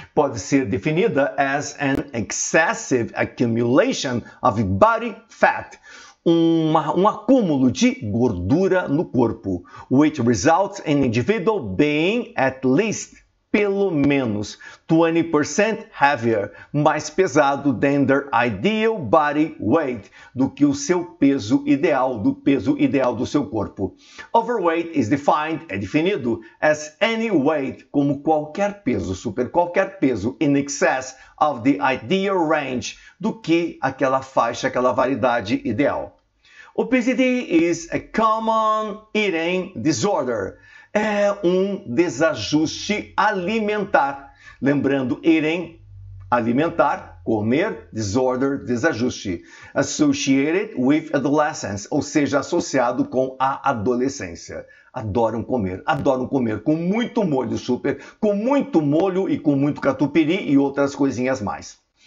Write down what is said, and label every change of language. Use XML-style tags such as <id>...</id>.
<pt>Pode ser definida</pt> <en>as an excessive accumulation of body fat.</en> <pt>Um acúmulo de gordura no corpo,</pt> <en>which results in individual being at least,</en> <pt>pelo menos, 20%</pt> <en>heavier,</en> <pt>mais pesado</pt> <en>than their ideal body weight,</en> <pt>do que o seu peso ideal, do peso ideal do seu corpo.</pt> <en>Overweight is defined,</en> <pt>é definido,</pt> <en>as any weight,</en> <pt>como qualquer peso, super qualquer peso,</pt> <en>in excess of the ideal range,</en> <pt>do que aquela faixa, aquela variedade ideal.</pt> <en>Obesity is a common eating disorder.</en> <pt>É um desajuste alimentar. Lembrando, eating, alimentar, comer, disorder, desajuste.</pt> <en>Associated with adolescence,</en> <pt>ou seja, associado com a adolescência. Adoram comer com muito molho, super, com muito molho e com muito catupiry e outras coisinhas mais.</pt>